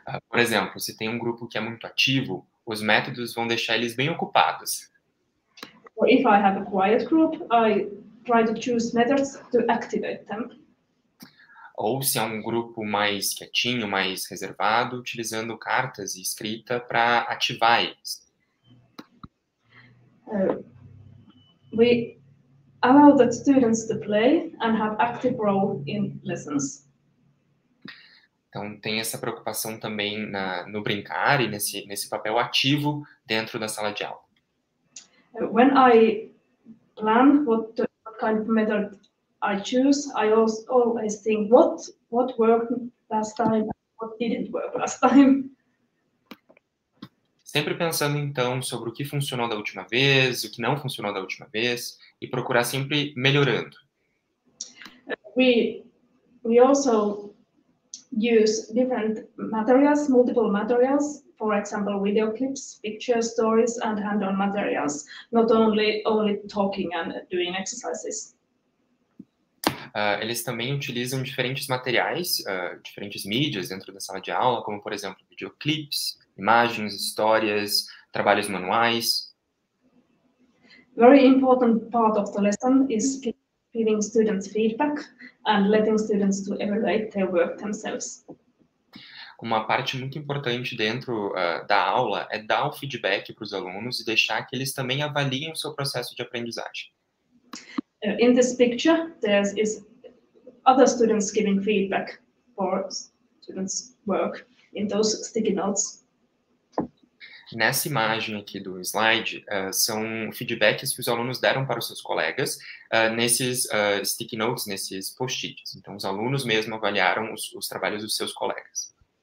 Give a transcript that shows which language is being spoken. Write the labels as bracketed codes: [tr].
[pt] Por exemplo, se tem um grupo que é muito ativo, os métodos vão deixar eles bem ocupados. [en] Or if I have a quiet group, I try to choose methods to activate them. [pt] Ou se é um grupo mais quietinho, mais reservado, utilizando cartas e escrita para ativar eles. [en] We allow the students to play and have active role in lessons. [pt] Então, tem essa preocupação também na, no brincar e nesse papel ativo dentro da sala de aula. [en] When I plan what kind of method I choose, I always think what worked last time, what didn't work last time. [pt] Sempre pensando, então, sobre o que funcionou da última vez, o que não funcionou da última vez, e procurar sempre melhorando. [en] We also use different materials, multiple materials, for example, video clips, pictures, stories, and hand-on materials, not only talking and doing exercises. [pt] Eles também utilizam diferentes materiais, diferentes mídias dentro da sala de aula, como, por exemplo, videoclips, imagens, histórias, trabalhos manuais. [en] Very important part of the lesson is giving students feedback and letting students to evaluate their work themselves. [pt] Uma parte muito importante dentro da aula é dar o feedback para os alunos e deixar que eles também avaliem o seu processo de aprendizagem. [en] In this picture, there is other students giving feedback for students' work in those sticky notes. [pt] Nessa imagem aqui do slide, são feedbacks que os alunos deram para os seus colegas nesses sticky notes, nesses post-its. Então, os alunos mesmo avaliaram os trabalhos dos seus colegas.